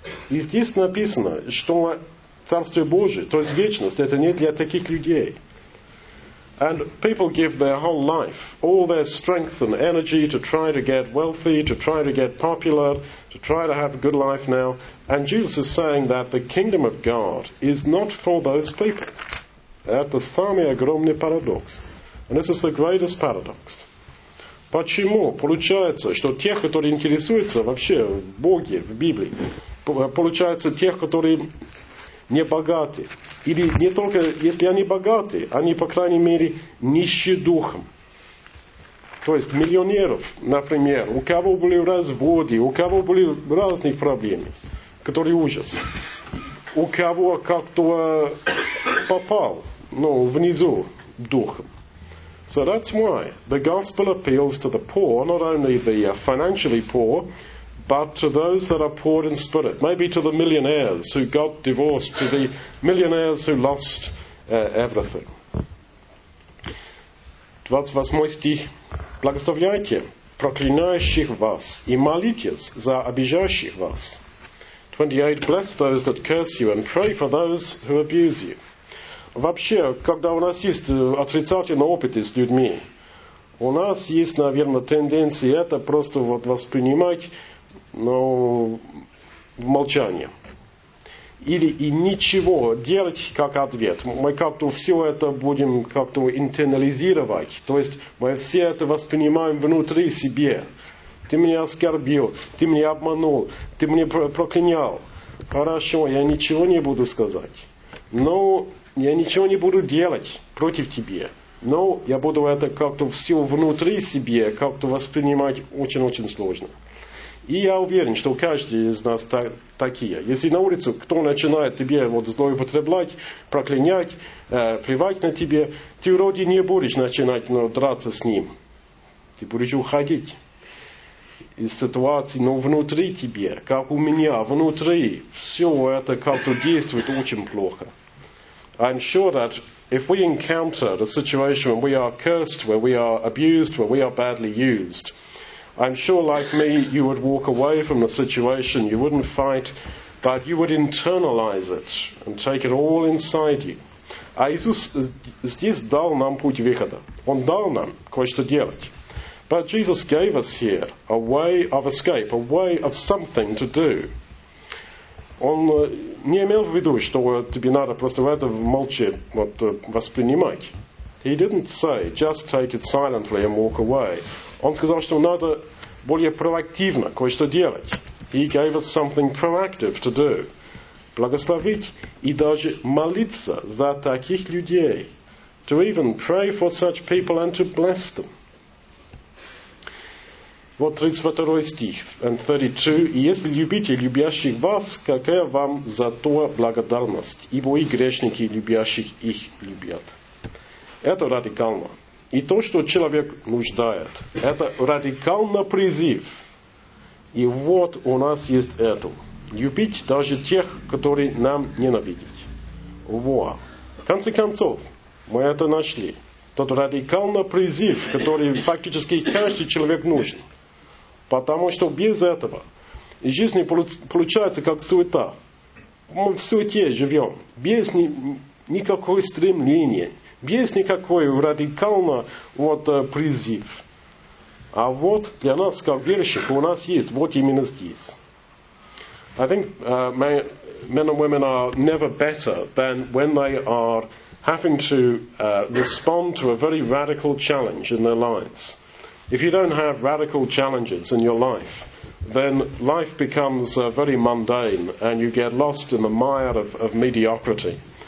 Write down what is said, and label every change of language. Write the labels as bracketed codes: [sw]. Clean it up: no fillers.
[ru] И здесь написано, что Царствие Божие, то есть вечность, это не для таких людей. [en] And people give their whole life, all their strength and energy to try to get wealthy, to try to get popular, to try to have a good life now. And Jesus is saying that the kingdom of God is not for those people. [ru] Это самый огромный парадокс. [en] And this is the greatest paradox. [ru] Почему получается, что тех, которые интересуются вообще в Боге, в Библии, получается тех, которые не богаты? Или не только, если они богаты, они, по крайней мере, нищие духом. То есть миллионеров, например, у кого были разводы, у кого были разные проблемы, которые ужас. У кого как-то попал, внизу духом. [en] So that's why the gospel appeals to the poor, not only the financially poor, but to those that are poor in spirit. Maybe to the millionaires who got divorced, to the millionaires who lost everything. [ru] 28 стих. Благословляйте проклинающих вас и молитесь за обижающих вас. 28. [en] Bless those that curse you and pray for those who abuse you. [ru] Вообще, когда у нас есть отрицательный опыт с людьми, у нас есть, наверное, тенденция это просто вот воспринимать, в молчание. Или и ничего делать как ответ. Мы как-то все это будем как-то интернализировать. То есть мы все это воспринимаем внутри себе. Ты меня оскорбил, ты меня обманул, ты меня проклинял. Хорошо, я ничего не буду сказать. Но я ничего не буду делать против тебя. Но я буду это как-то все внутри себе как-то воспринимать очень-очень сложно. И я уверен, что каждый из нас такие. Если на улице кто начинает тебе вот злоупотреблять, проклинять, плевать на тебе, ты вроде не будешь начинать драться с ним. Ты будешь уходить из ситуации, но внутри тебе, как у меня, внутри, все это как-то действует очень плохо. [en] I'm sure that if we encounter a situation when we are cursed, where we are abused, where we are badly used, I'm sure like me, you would walk away from the situation, you wouldn't fight, but you would internalize it and take it all inside you. [ru] А Иисус здесь дал нам путь выхода. Он дал нам кое-что делать. [en] But Jesus gave us here a way of escape, a way of something to do. [ru] Он не имел в виду, что тебе надо просто это молча воспринимать. [en] He didn't say, just take it silently and walk away. [ru] Он сказал, что надо более проактивно кое-что делать. [en] He gave us something proactive to do. [ru] Благословить и даже молиться за таких людей. [en] To even pray for such people and to bless them. [ru] Вот 32 стих. [en] And 32. [ru] «И если любите любящих вас, какая вам за то благодарность? Ибо и грешники любящих их любят». Это радикально. И то, что человек нуждает, это радикально призыв. И вот у нас есть это. Любить даже тех, которые нам ненавидят. Во. В конце концов, мы это нашли. Тот радикально призыв, который фактически каждый человек нужен. Потому что без этого жизнь получается как суета. Мы в суете живем. Без никакого стремления. Без никакого радикального призыва. А вот для нас, как верующих, у нас есть. Вот именно здесь. [en] I think men and women are never better than when they are having to respond to a very radical challenge in their lives. If you don't have radical challenges in your life, then life becomes very mundane and you get lost in the mire of mediocrity.